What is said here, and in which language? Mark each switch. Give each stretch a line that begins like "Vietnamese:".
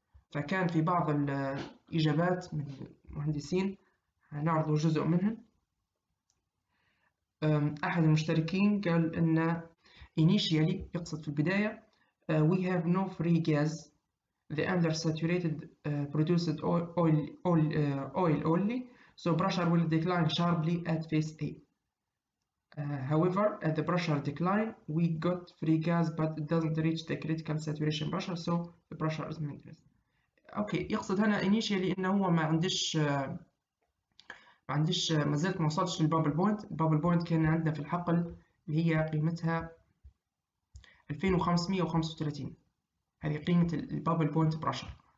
Arabic: فكان في بعض الإجابات من المهندسين هنعرض جزء منهم. أحد المشتركين قال إن initially يقصد في البداية
English: we have no free gas. The undersaturated produced oil only, so pressure will decline sharply at phase A. However, at the pressure decline, we got free gas, but it doesn't reach the critical saturation pressure, so the pressure is maintained.
Arabic: Okay, يقصد هنا initially إنه هو ما عندش ما زلت ما وصلتش للبابل بوينت. البابل بوينت كان عندنا في الحقل اللي هي قيمتها 2535. هذه قيمة البابل بوينت برشر.